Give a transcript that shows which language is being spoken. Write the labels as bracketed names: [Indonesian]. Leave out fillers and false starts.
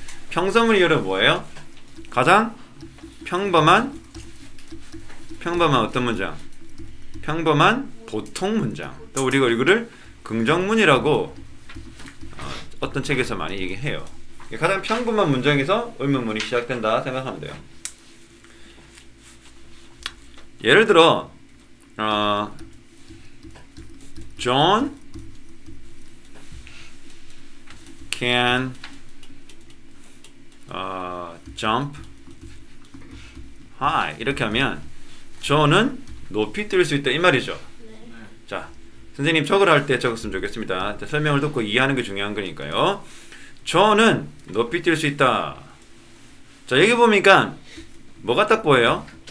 [Korean] 평서문이 여러분 뭐예요? 가장 평범한 어떤 문장? 평범한 보통 문장. 또 우리가 이거를 긍정문이라고 어떤 책에서 많이 얘기해요. 가장 평범한 문장에서 의문문이 시작된다 생각하면 돼요. 예를 들어 [English] John can jump high. [Korean] 이렇게 하면 John은 높이 뛸 수 있다 이 말이죠. 네. 자, 선생님 적을 할 때 적었으면 좋겠습니다. 설명을 듣고 이해하는 게 중요한 거니까요. John은 높이 뛸 수 있다. 자, 여기 보니까 뭐가 딱 보여요?